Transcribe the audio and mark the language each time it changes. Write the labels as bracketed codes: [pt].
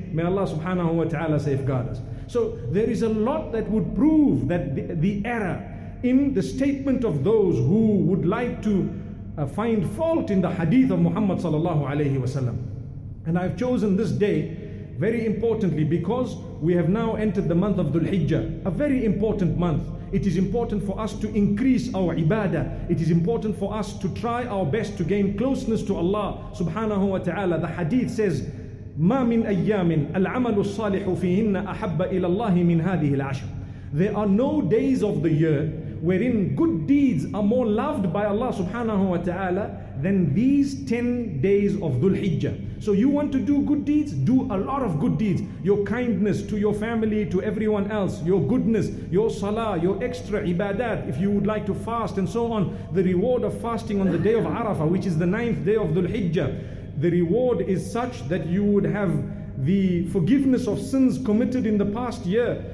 [en] May Allah subhanahu wa ta'ala safeguard us. So there is a lot that would prove that the error in the statement of those who would like to find fault in the hadith of Muhammad sallallahu alayhi wa sallam. And I've chosen this day very importantly because we have now entered the month of Dhul-Hijjah, a very important month. It is important for us to increase our ibadah. It is important for us to try our best to gain closeness to Allah subhanahu wa ta'ala. The hadith says, [ar] مَا مِنْ أَيَّامٍ الْعَمَلُ الصَّالِحُ فِيهِنَّ أَحَبَّ إِلَى اللَّهِ مِنْ هَذِهِ الْعَشْرِ. [en] There are no days of the year wherein good deeds are more loved by Allah subhanahu wa ta'ala than these 10 days of Dhul-Hijjah. So you want to do good deeds? Do a lot of good deeds. Your kindness to your family, to everyone else, your goodness, your salah, your extra ibadat, if you would like to fast and so on, the reward of fasting on the day of Arafah, which is the 9th day of Dhul-Hijjah, the reward is such that you would have the forgiveness of sins committed in the past year.